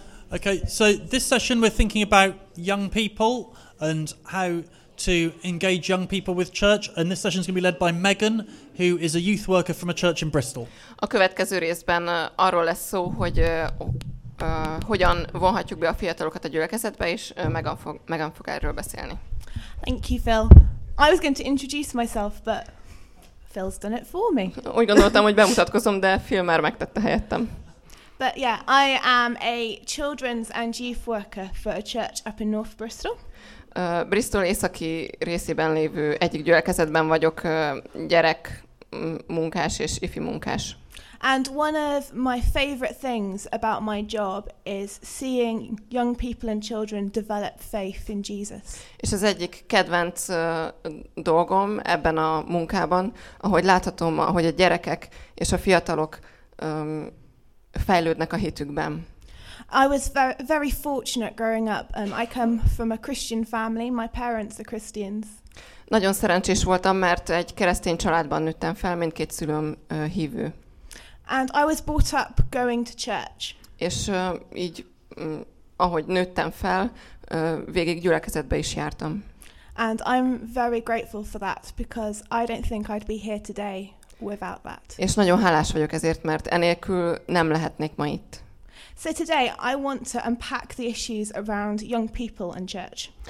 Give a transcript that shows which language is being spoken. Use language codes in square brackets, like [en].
[en] Okay, so this session we're thinking about young people and how to engage young people with church. And this session is going to be led by Megan, who is a youth worker from a church in Bristol. [hu] A következő részben arról lesz szó, hogy hogyan vonhatjuk be a fiatalokat a gyülekezetbe, és Megan fog erről beszélni. [en] Thank you, Phil. I was going to introduce myself, but Phil's done it for me. [hu] Úgy gondoltam, hogy bemutatkozom, de Phil már megtette helyettem. [en] But yeah, I am a children's and youth worker for a church up in North Bristol. [hu] Bristol északi részében lévő egyik gyülekezetben vagyok gyerek munkás és ifi munkás. [en] And one of my favorite things about my job is seeing young people and children develop faith in Jesus. [hu] És az egyik kedvenc dolgom ebben a munkában, ahogy láthatom, ahogy a gyerekek és a fiatalok fejlődnek a hitükben. [en] I was very fortunate growing up. I come from a Christian family. My parents are Christians. [hu] Nagyon szerencsés voltam, mert egy keresztény családban nőttem fel, mindkét szülőm hívő. [en] And I was brought up going to church. [hu] És így, ahogy nőttem fel, végig gyülekezetbe is jártam. [en] And I'm very grateful for that because I don't think I'd be here today without that. [hu] És nagyon hálás vagyok ezért, mert enélkül nem lehetnék ma itt. [en] So today I want to unpack the issues around young people and church.